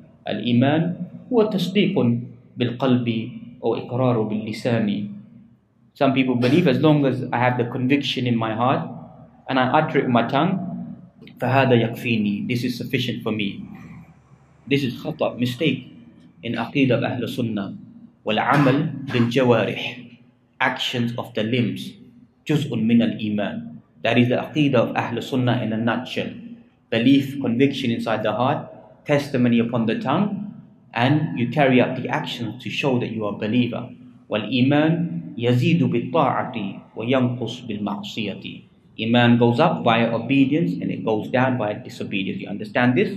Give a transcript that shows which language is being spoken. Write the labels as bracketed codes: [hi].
[ar] Al-iman huwa tasdiqun bil-qalbi [en] or [ar] ikraru bil-lisani. [en] Some people believe, as long as I have the conviction in my heart and I utter it with my tongue, [ar] فَهَذَا يَكْفِينِي, [en] this is sufficient for me. This is khata', mistake in aqidah of Ahl Sunnah. [ar] وَالْعَمَلْ بِالْجَوَارِحِ, [en] actions of the limbs, [ar] جُزْءٌ مِنَ الْإِيمَانِ. [en] That is the aqidah of Ahl Sunnah in a nutshell. Belief, conviction inside the heart, testimony upon the tongue, and you carry out the actions to show that you are a believer. [ar] وَالْإِيمَانِ يَزِيدُ بِالطَّاعَةِ وَيَنْقُصْ بِالْمَعْصِيَةِ. [en] Iman goes up via obedience and it goes down via disobedience. You understand this?